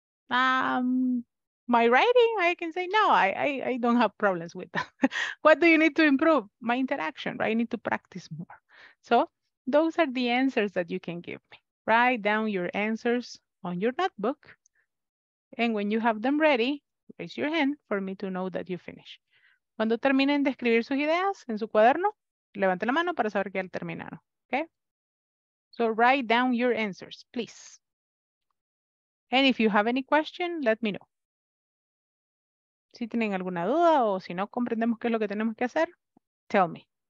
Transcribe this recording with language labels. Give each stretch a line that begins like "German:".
English: I can say, no, I don't have problems with that. What do you need to improve? My interaction, right? I need to practice more. So those are the answers that you can give me. Write down your answers on your notebook. And when you have them ready, raise your hand for me to know that you finish.
Spanish: Cuando terminen de escribir sus ideas en su cuaderno, levante la mano para saber que ya terminaron, okay?
English: So write down your answers, please. And if you have any question, let me know.
Spanish: Si tienen alguna duda o si no comprendemos qué es lo que tenemos que hacer,
English: tell me.